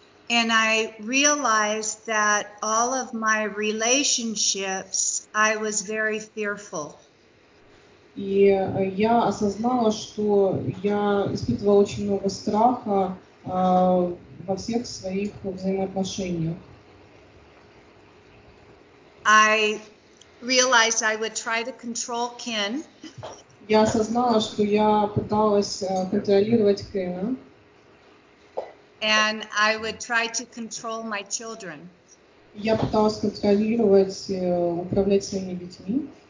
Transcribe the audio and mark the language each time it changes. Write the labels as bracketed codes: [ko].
[en] And I realized that all of my relationships, I was very fearful. [ru] И я осознала, что я испытывала очень много страха во всех своих взаимоотношениях. [en] I realized I would try to control Ken. [ru] Я осознала, что я пыталась контролировать Кена. [en] And I would try to control my children. [ru] Я пыталась контролировать, управлять своими детьми.